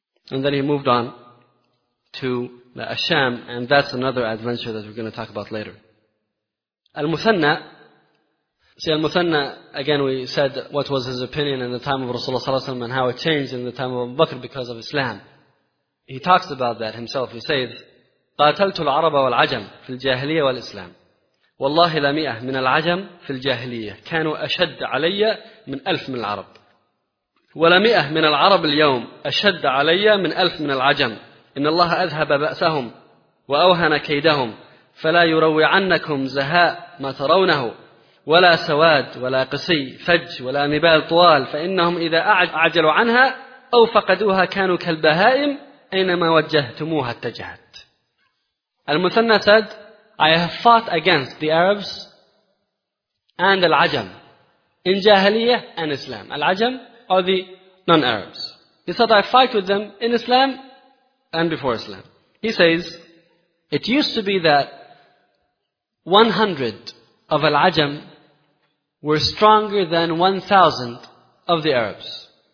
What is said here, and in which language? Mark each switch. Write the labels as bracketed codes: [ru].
[en] And then he moved on to the Ash-Sham, and that's another adventure that we're going to talk about later. Al-Muthanna, see Al-Muthanna, again we said what was his opinion in the time of Rasulullah ﷺ and how it changed in the time of Abu Bakr because of Islam. He talks about that himself. He says, [ar] قَاتَلْتُ الْعَرَبَ وَالْعَجَمْ فِي الْجَاهِلِيَّةِ وَالْإِسْلَامِ وَاللَّهِ لَمِئَةٌ مِنَ الْعَجَمْ فِي الْجَاهِلِيَّةِ كَانُوا أَشَدَّ عَلَيَّ مِنْ أَلْفٍ مِنَ الْعَرَبِ ولمئه من العرب اليوم اشد علي من الف من العجم ان الله اذهب باسهم واوهن كيدهم فلا يروعنكم زهاء ما ترونه ولا سواد ولا قصي فج ولا مبال طوال فانهم اذا اعجلوا عنها او فقدوها كانوا كالبهائم اينما وجهتموها اتجهت. [en] المثنى said, I have fought against the Arabs and العجم in Jahiliyyah and Islam. العجم are the non-Arabs. He said, I fight with them in Islam and before Islam. He says, it used to be that 100 of Al-Ajam were stronger than 1,000 of the Arabs.